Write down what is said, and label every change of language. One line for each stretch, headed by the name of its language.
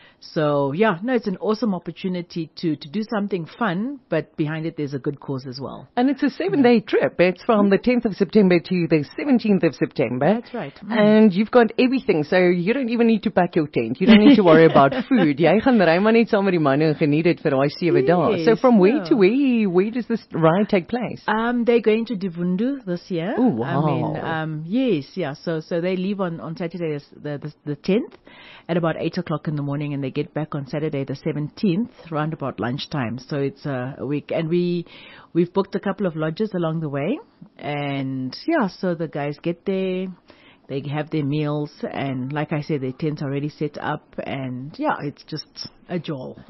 English: So, yeah, no, it's an awesome opportunity to do something fun, but behind it there's a good cause as well. And it's a seven-day trip. It's from the 10th of September to the 17th of September. That's right. Mm. And you've got everything, so you don't even need to pack your tent. You don't need to worry about food.
Afrikaans: Jy gaan ry maar net saam met die manne en geniet dit vir daai sewe dae.
English: So from where to where does this ride take place? They're going to Divundu this year. Oh, wow. I mean, yes, yeah. So they leave on Saturday the 10th at about 8 o'clock in the morning, and they get back on Saturday the 17th around about lunchtime. So it's a week, and we've booked a couple of lodges along the way, and yeah, so the guys get there, they have their meals, and like I said, their tents already set up, and yeah, it's just a jol.